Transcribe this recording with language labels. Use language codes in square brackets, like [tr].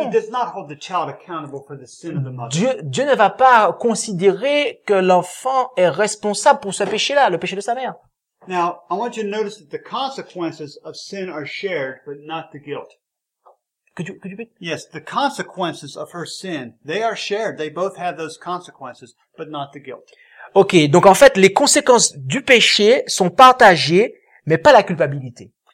[en] He does not hold the child accountable for the sin of the mother. [fr] Dieu ne va pas considérer que l'enfant est responsable pour ce péché-là, le péché de sa mère. [en] Now, I want you to notice that the consequences of sin are shared, but not the guilt. Could you repeat? Yes, the consequences of her sin, they are shared. They both have those consequences, but not the guilt. [fr] OK, donc en fait, les conséquences du péché sont partagées, mais pas la culpabilité.